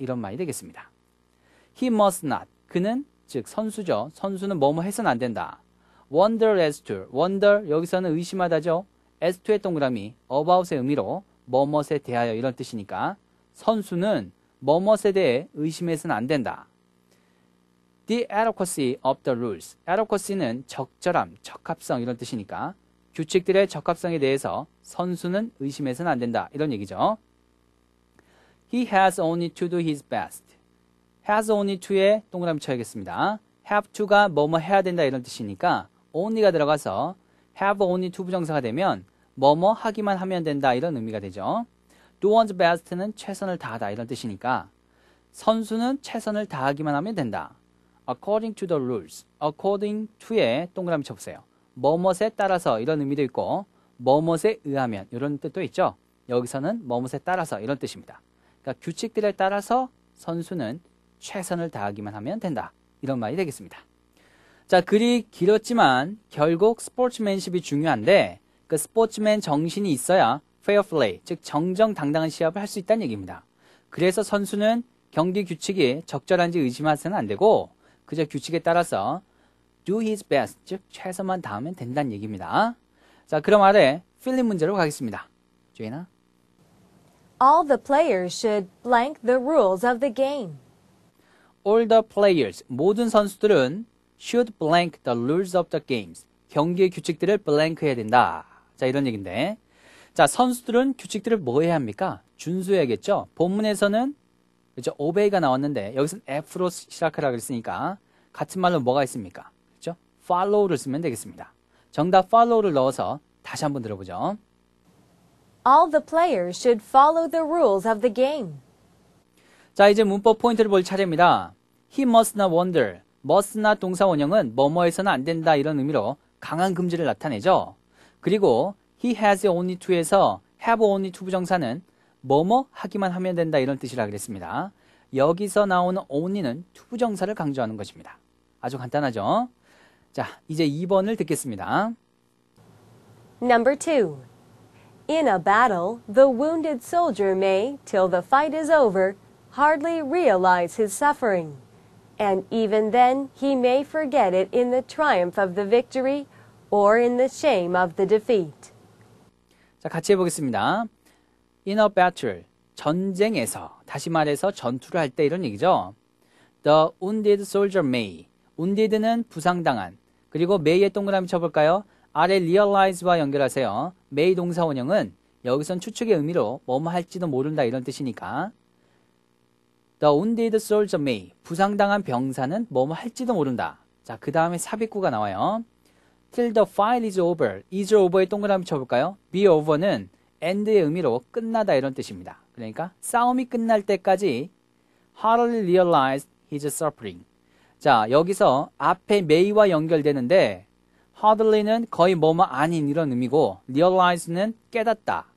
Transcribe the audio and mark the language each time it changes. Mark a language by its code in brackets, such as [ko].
[ko] 이런 말이 되겠습니다. [en] He must not. [ko] 그는 즉 선수죠. 선수는 뭐뭐 해서는 안 된다. [en] Wonder as to. [ko] Wonder 여기서는 의심하다죠. as to의 동그라미 about의 의미로 뭐뭇에 대하여 이런 뜻이니까 선수는 뭐뭇에 대해 의심해서는 안 된다. [en] The adequacy of the rules. [ko] adequacy는 적절함, 적합성 이런 뜻이니까 규칙들의 적합성에 대해서 선수는 의심해서는 안 된다. 이런 얘기죠. [en] He has only to do his best. [ko] has only to에 동그라미 쳐야겠습니다. have to가 뭐뭐 해야 된다 이런 뜻이니까 only가 들어가서 have only to 부정사가 되면 뭐뭐 하기만 하면 된다 이런 의미가 되죠. do one's best는 최선을 다하다 이런 뜻이니까 선수는 최선을 다하기만 하면 된다. [en] according to the rules, according to에 [ko] 동그라미 쳐보세요. 뭐뭇에 따라서 이런 의미도 있고 뭐뭇에 의하면 이런 뜻도 있죠. 여기서는 뭐뭇에 따라서 이런 뜻입니다. 그러니까 규칙들에 따라서 선수는 최선을 다하기만 하면 된다. 이런 말이 되겠습니다. 자, 글이 길었지만 결국 스포츠맨십이 중요한데 그 스포츠맨 정신이 있어야 페어 플레이, 즉 정정당당한 시합을 할수 있다는 얘기입니다. 그래서 선수는 경기 규칙이 적절한지 의심해서는 안 되고 그저 규칙에 따라서 [en] do his best, [ko] 즉 최선만 다하면 된다는 얘기입니다. 자, 그럼 아래 필립 문제로 가겠습니다. 조이나? [en] All the players should blank the rules of the game. All the players, [ko] 모든 선수들은 [en] should blank the rules of the games. [ko] 경기의 규칙들을 blank 해야 된다. 자, 이런 얘기인데. 자, 선수들은 규칙들을 뭐 해야 합니까? 준수해야겠죠? 본문에서는, 그죠? obey가 나왔는데, 여기서는 f로 시작하라 그랬으니까, 같은 말로 뭐가 있습니까? 그죠? follow를 쓰면 되겠습니다. 정답 follow를 넣어서 다시 한번 들어보죠. [en] All the players should follow the rules of the game. [ko] 자, 이제 문법 포인트를 볼 차례입니다. [en] He must not wander. [ko] must not 동사 원형은 뭐뭐해서는 안 된다 이런 의미로 강한 금지를 나타내죠. 그리고 [en] he has only to [ko] 에서 have only to 부정사는 뭐뭐 하기만 하면 된다 이런 뜻이라 그랬습니다. 여기서 나오는 only는 to 부정사를 강조하는 것입니다. 아주 간단하죠? 자, 이제 2번을 듣겠습니다. [en] Number 2. In a battle, the wounded soldier may, till the fight is over, hardly realize his suffering. And even then, he may forget it in the triumph of the victory or in the shame of the defeat. [ko] 자, 같이 해보겠습니다. [en] In a battle, [ko] 전쟁에서, 다시 말해서 전투를 할 때 이런 얘기죠. [en] The wounded soldier may, [ko] wounded는 부상당한, 그리고 may의 동그라미 쳐볼까요? 아래 realize와 연결하세요. may 동사 원형은 여기선 추측의 의미로 뭐뭐 할지도 모른다 이런 뜻이니까 [en] The wounded soldier may, [ko] 부상당한 병사는 뭐뭐 할지도 모른다. 자, 그 다음에 삽입구가 나와요. [en] Till the fight is over, is over의 [ko] 동그라미 쳐볼까요? be over는 end의 의미로 끝나다 이런 뜻입니다. 그러니까 싸움이 끝날 때까지 [en] hardly realized his suffering. [ko] 자, 여기서 앞에 may와 연결되는데 hardly는 거의 뭐뭐 아닌 이런 의미고 realize는 깨닫다.